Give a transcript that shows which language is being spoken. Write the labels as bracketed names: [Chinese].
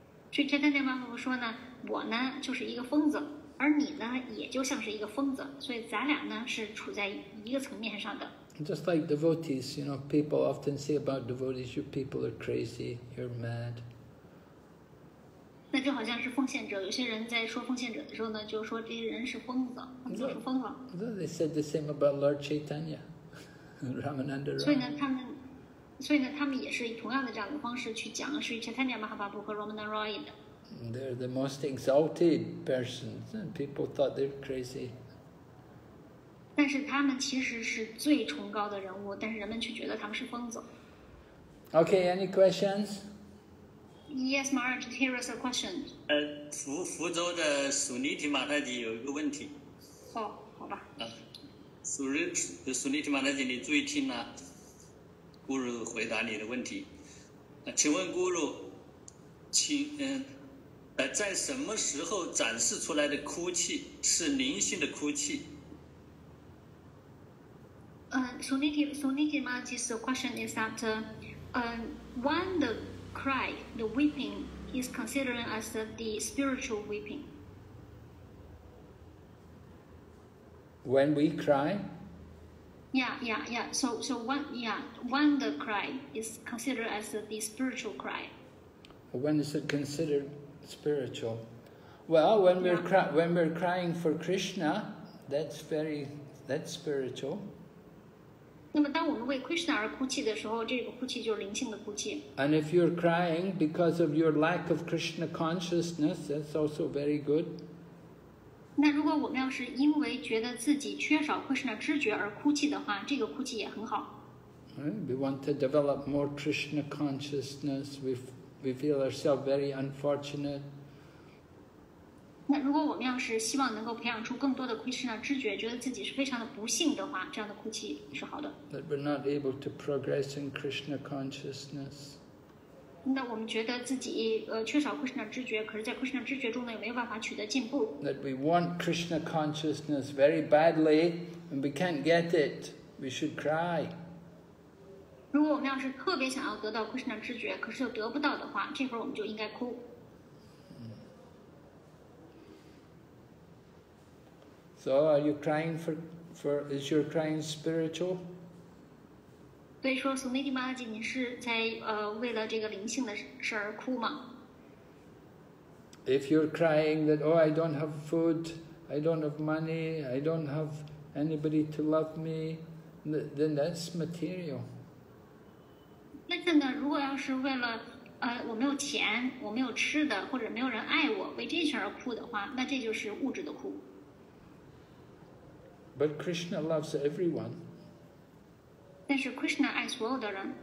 [Chinese] Sri Chaitanya Mahaprabhu 说呢，我呢就是一个疯子，而你呢也就像是一个疯子，所以咱俩呢是处在一个层面上的。 [English] Just like devotees, you know, people often say about devotees, "You people are crazy, you're mad." [Chinese] 那就好像是奉献者，有些人在说奉献者的时候呢，就说这些人是疯子，他们就是疯了。 [English] Though they said the same about Lord Chaitanya, Ramananda Roy. [Chinese] 所以呢，他们也是同样的这样的方式去讲是 Chaitanya Mahaprabhu 和 Ramananda Roy 的。 [English] They're the most exalted persons, and people thought they're crazy. [Chinese] 但是他们其实是最崇高的人物，但是人们却觉得他们是疯子。 [English] Okay, any questions? Yes, Maharaj, here is a question. [Chinese] 福州的苏尼提马太吉有一个问题。哦、好吧。苏尼提马太吉，你注意听了、啊。Guru 回答你的问题。请问 Guru， 请在什么时候展示出来的哭泣是灵性的哭泣？ [English] Suniti Maharaj's question is that, when the cry, the weeping, is considered as the spiritual weeping? When we cry? Yeah. So when the cry is considered as the spiritual cry. When is it considered spiritual? Well, when we're crying for Krishna, that's spiritual. [Chinese] 那么当我们为 Krishna 而哭泣的时候，这个哭泣就是灵性的哭泣。 [English] And if you're crying because of your lack of Krishna consciousness, that's also very good. [Chinese] 那如果我们要是因为觉得自己缺少 Krishna 知觉而哭泣的话，这个哭泣也很好。 [English] We want to develop more Krishna consciousness. We feel ourselves very unfortunate. [Chinese] 那如果我们要是希望能够培养出更多的 Krishna 知觉，觉得自己是非常的不幸的话，这样的哭泣是好的。 [English] That we're not able to progress in Krishna consciousness. [Chinese] 那我们觉得自己缺少 Krishna 知觉，可是在 Krishna 知觉中呢，也没有办法取得进步。 [English] That we want Krishna consciousness very badly and we can't get it, we should cry. [Chinese] 如果我们要是特别想要得到 Krishna 知觉，可是又得不到的话，这会儿我们就应该哭。 [English] So are you crying for is your crying spiritual? [Chinese] 所以说 Suniti Maharaj 你是在为了这个灵性的事而哭吗？ [English] If you're crying that, oh, I don't have food, I don't have money, I don't have anybody to love me, then that's material. [Chinese] 那现在如果要是为了我没有钱，我没有吃的，或者没有人爱我，为这事而哭的话，那这就是物质的哭。 [English] But Krishna loves everyone. [Chinese] 但是 Krishna 爱所有的人。